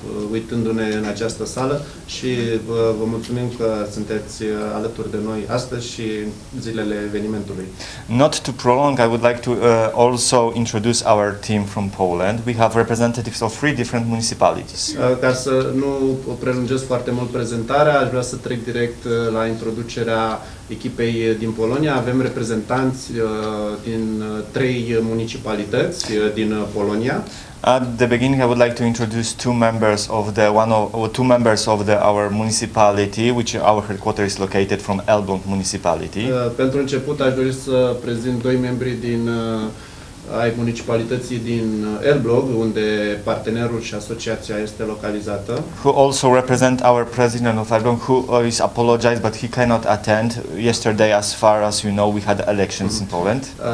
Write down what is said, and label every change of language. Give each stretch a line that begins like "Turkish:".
Romanian: uitându-ne în această sală și vă mulțumim că sunteți alături de noi astăzi și zilele evenimentului.
English: Not to prolong, I would like to also introduce our team from Poland. We have representatives of three different municipalities.
Romanian: Ca să nu prelungesc foarte mult prezentarea, aș vrea să trec direct la introducerea echipei din Polonia. Avem reprezentanți din trei municipalități din Polonia.
English: At the beginning, I would like to introduce two members of our municipality, which our headquarters is located from Elbląg municipality.
Romanian: Pentru început, aș dori să prezint doi membri din ai municipalității din Elbląg, unde partenerul și asociația este localizată.
English: Who also represent our president of Elbląg, who is apologized, but he cannot attend. Yesterday, as far as you know, we had elections in Poland.